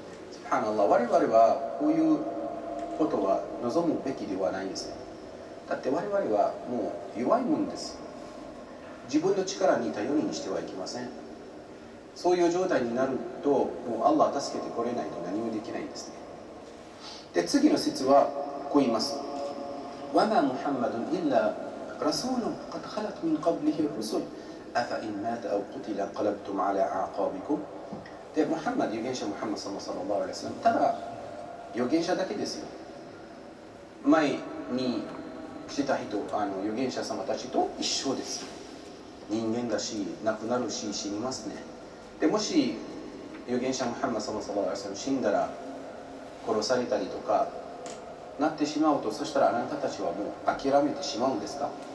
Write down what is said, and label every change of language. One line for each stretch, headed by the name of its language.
Japanese: スブハーナアッラ、我々はこういうことは望むべきではないんですね。だって我々はもう弱いもんです。自分の力に頼りにしてはいけません。そういう状態になると、もうアッラ助けてこれないと何もできないんですね。で、次の説はこう言います。
Arabic: わがムハンマドイラ رسول قد خلت من قبله الرسل أفإن مات أو قتل انقلبتم على أعقابكم。
Japanese: で、ムハンマド預言者ムハンマドさんはただ預言者だけですよ。前に来た人、預言者様たちと一緒です。人間だし亡くなるし死にますね。で、もし預言者ムハンマドさんは死んだら殺されたりとかなってしまうと、そしたらあなたたちはもう諦めてしまうんですか。